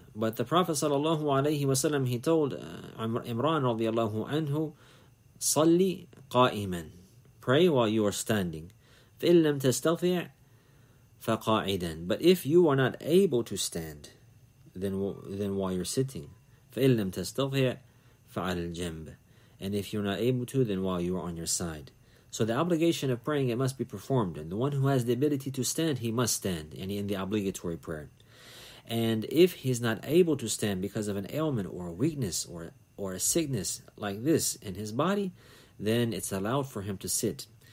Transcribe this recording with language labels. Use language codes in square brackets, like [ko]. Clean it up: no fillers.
[en] But the Prophet sallallahu alayhi wa sallam, he told Imran radiallahu anhu, [ar] صلي قائما. [en] Pray while you are standing. [ar] فإن لم تستطيع فقاعدا. [en] But if you are not able to stand, then while you're sitting. [ar] فإن لم تستطيع فعلى الجنب. [en] And if you're not able to, then while you are on your side. So the obligation of praying, it must be performed. And the one who has the ability to stand, he must stand in the obligatory prayer. And if he's not able to stand because of an ailment or a weakness or a sickness like this in his body, then it's allowed for him to sit.